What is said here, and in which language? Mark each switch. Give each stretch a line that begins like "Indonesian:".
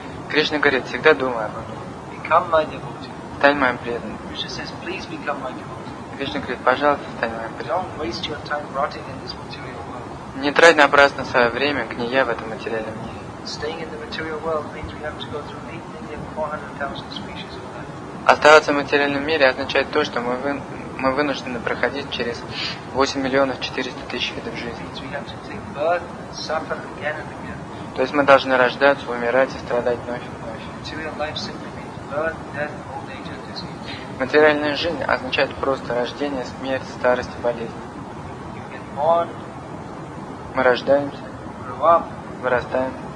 Russian: Кришна говорит, всегда думай об этом. Стань моим преданным.
English: Krishna says, please become my devotee.
Russian: Кришна говорит, пожалуйста, стань моим преданным.
English: Don't waste your time rotting in this material world.
Russian: Не трать напрасно свое время, гния в этом материальном мире.
English: Staying in the material world means we have to go through 8,400,000 species of life.
Russian: Оставаться в материальном мире означает то, что мы вынуждены проходить через 8,400,000 видов жизни.
English: Means we have to take birth and suffer again and again.
Russian: То есть мы должны рождаться, умирать и страдать вновь и вновь.
English: Material life simply means birth, death.
Russian: Материальная жизнь означает просто рождение, смерть, старость и болезнь.
English: Born,
Russian: мы рождаемся,
English: grow up,
Russian: вырастаем,